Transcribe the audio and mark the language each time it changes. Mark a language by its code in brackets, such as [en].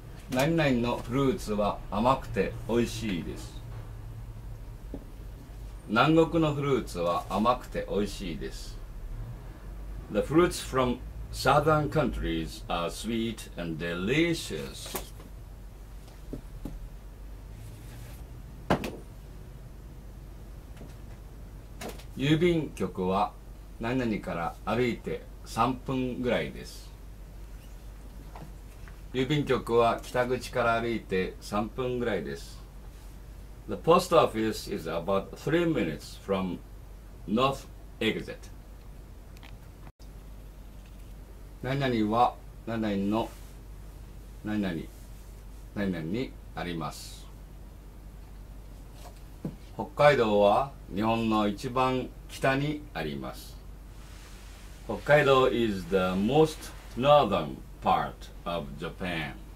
[ja] 何々のフルーツは甘くて美味しいです。南国のフルーツは甘くて美味しいです。 [en] The fruits from southern countries are sweet and delicious. [ja] 郵便局は何々から歩いて3分ぐらいです。郵便局は北口から歩いて3分ぐらいです。 [en] The post office is about 3 minutes from North Exit. [ja] 何々は何々の何々何々にあります。北海道は日本の一番北にあります。 [en] 北海道 is the most northern part of Japan.